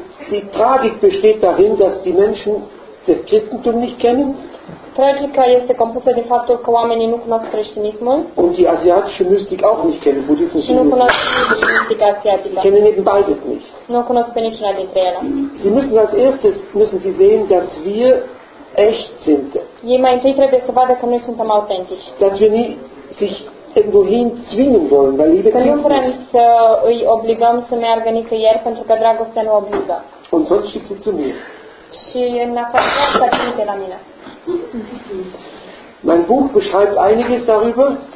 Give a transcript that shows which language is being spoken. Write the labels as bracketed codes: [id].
[de] Die Tragik besteht darin, dass die Menschen das Christentum nicht kennen. [ro] Tragica este compusă din faptul că oamenii nu cunosc creștinismul. [de] Und die asiatische Mystik auch nicht kennen, Buddhismus. [ro] Și nu cunosc nici mystica asiatică. [de] Kennen eben beides nicht. [ro] Nu cunosc pe niciuna dintre ele. [de] Sie müssen als erstes müssen sie sehen, dass wir echt sind. [ro] Ei mai întâi trebuie să vadă că noi suntem autentici. [de] Dass wir nie sich irgendwohin zwingen wollen, weil Liebe kein Zwang. [ro] Nu vrem să îi obligăm să meargă nicăieri, pentru că dragostea nu obligă. [de] Und sonst schickt sie zu mir. [ro] Și în afară de asta, trimite la mine. [de] Mein Buch beschreibt einiges darüber.